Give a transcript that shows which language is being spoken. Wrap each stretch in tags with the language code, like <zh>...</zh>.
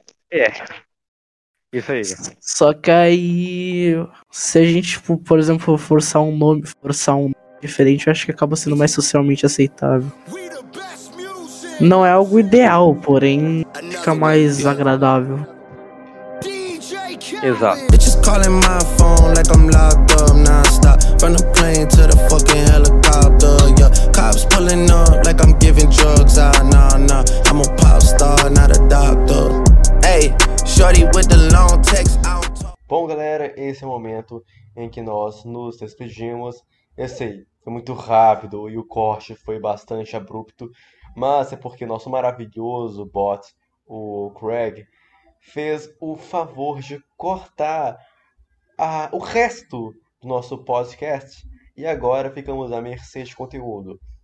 <pt>É. Isso aí. Só que aí, se a gente, tipo, por exemplo, forçar um nome diferente, eu acho que acaba sendo mais socialmente aceitável. Não é algo ideal, porém fica mais agradável. Exato.</pt> <en>Bitches calling my phone like I'm locked up non-stop. From the plane to the fucking helicopter, yeah. Cops pulling up like I'm giving drugs out. Nah, I'm a pop star, not a doctor. Hey, shorty with the long text, I don't talk.</en> <pt>Bom, galera, esse é o momento em que nós nos despedimos. Eu sei, foi muito rápido e o corte foi bastante abrupto, mas é porque nosso maravilhoso bot, o Craig, fez o favor de cortar o resto do nosso podcast e agora ficamos à mercê de conteúdo.</pt>